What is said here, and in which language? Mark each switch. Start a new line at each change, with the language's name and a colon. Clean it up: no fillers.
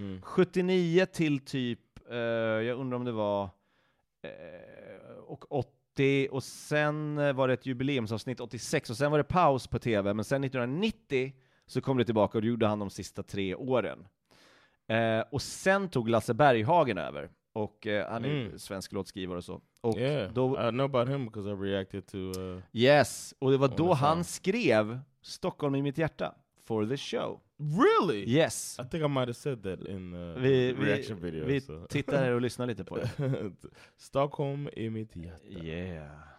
Swedish: 79 till typ jag undrar om det var och 80, och sen var det ett jubileumsavsnitt 86, och sen var det paus på tv, men sen 1990 så kom det tillbaka och gjorde han de sista 3 åren. Och sen tog Lasse Berghagen över. Och han är svensk låtskrivare och så. Och
English: yeah, då, I know about him because I reacted to...
Swedish: yes, och det var då han skrev Stockholm i mitt hjärta
English: for the show. Really? Yes. I think I might have said that in reaction video.
Swedish: Vi tittar här och lyssnar lite på det. Stockholm i mitt hjärta.
English: Yeah.